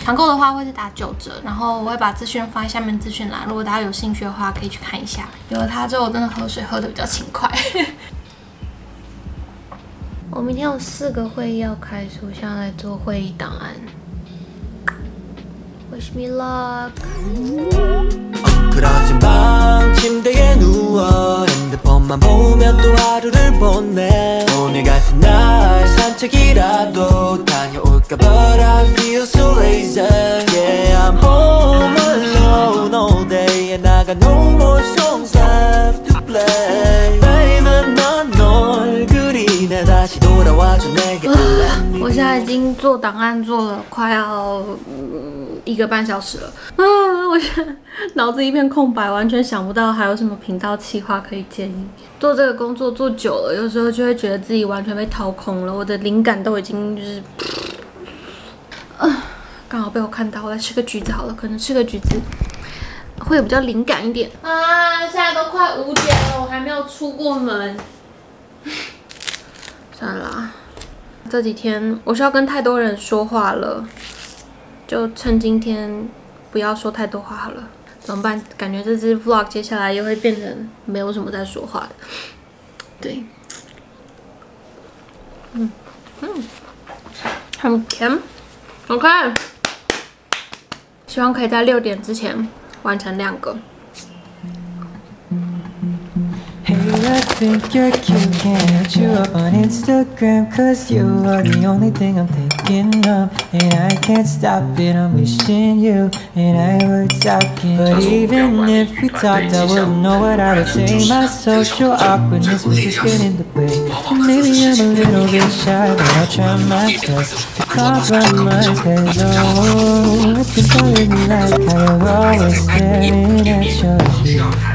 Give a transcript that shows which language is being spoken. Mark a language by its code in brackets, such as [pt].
[zh] 团购的话会是打九折，然后我会把资讯放在下面资讯栏，如果大家有兴趣的话可以去看一下。有了它之后，我真的喝水喝得比较勤快。我明天有四个会议要开，所以我现在来做会议档案。 [en] Wish me luck。 [ko] 그러진밤침대에누워핸드폰만보면또하루를보내오늘같은날산책이라도다녀올까 [en] But I feel so lazy Yeah I'm home alone all day And I got no more songs left to play Babe [ko] 난널그리네다시돌아와줘내게 [zh] 我现在已经做档案做了快要一个半小时了，我现在脑子一片空白，完全想不到还有什么频道企划可以建议。做这个工作做久了，有时候就会觉得自己完全被掏空了，我的灵感都已经就是，刚好被我看到，我来吃个橘子好了，可能吃个橘子会有比较灵感一点。啊，现在都快五点了，我还没有出过门，算了。这几天我是要跟太多人说话了，就趁今天不要说太多话好了。怎么办？感觉这支 vlog 接下来又会变成没有什么在说话的。对，很甜。 OK， 希望可以在六点之前完成两个。 [en] I think you're cute, can't hit you up on Instagram Cause you are the only thing I'm thinking of And I can't stop it, I'm wishing you And I would talk it But even if we talked, I wouldn't know what I would say My social awkwardness was just getting in the way Maybe I'm a little bit shy, but I'll try my best To compromise, cause oh It's been falling like I was always staring at your shoes